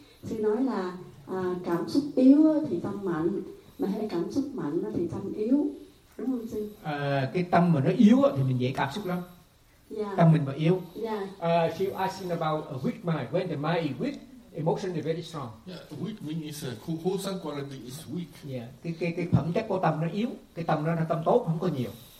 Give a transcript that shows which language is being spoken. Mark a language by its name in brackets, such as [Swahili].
[Vietnamese] Sư nói là cảm xúc yếu thì tâm mạnh, mà hay cảm xúc mạnh thì tâm yếu, đúng không sư? Cái tâm mà nó yếu thì mình dễ cảm xúc lắm. [English] Yeah. [Vietnamese] Tâm mình mà yếu. [English] Yeah. She was asking about a weak mind. When the mind is weak, emotion is very strong. Yeah, weak mean is wholesome quality is weak. [Vietnamese] Yeah, cái phẩm chất của tâm nó yếu, cái tâm nó là tâm tốt không có nhiều.